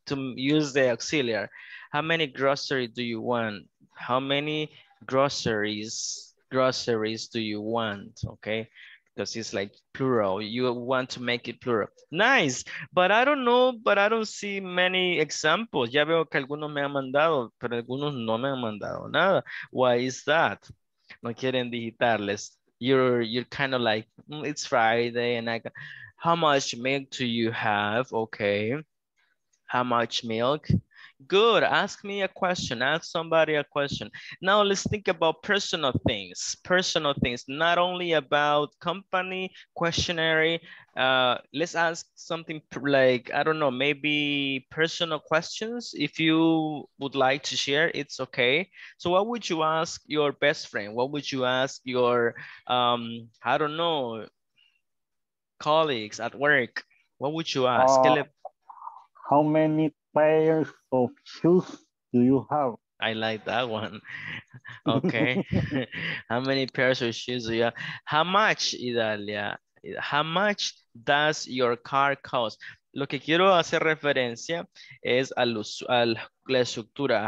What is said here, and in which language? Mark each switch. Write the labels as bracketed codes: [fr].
[en] To use the auxiliary, how many groceries do you want? How many groceries do you want? Okay, because it's like plural. You want to make it plural. Nice, but I don't know, but I don't see many examples. [es] Ya veo que algunos me han mandado, pero algunos no me han mandado nada. [en] Why is that? [es] No quieren digitarles. [en] You're kind of like, it's Friday and I got... How much milk do you have? Okay. How much milk? Good. Ask me a question. Ask somebody a question. Now let's think about personal things. Personal things, not only about company questionnaire. Let's ask something like, I don't know, maybe personal questions. If you would like to share, it's okay. So what would you ask your best friend? What would you ask your, I don't know, colleagues at work? What would you ask? How many pairs of shoes do you have? I like that one. Okay. How many pairs of shoes do you have? How much, Idalia? How much does your car cost? [es] Lo que quiero hacer referencia es a la estructura.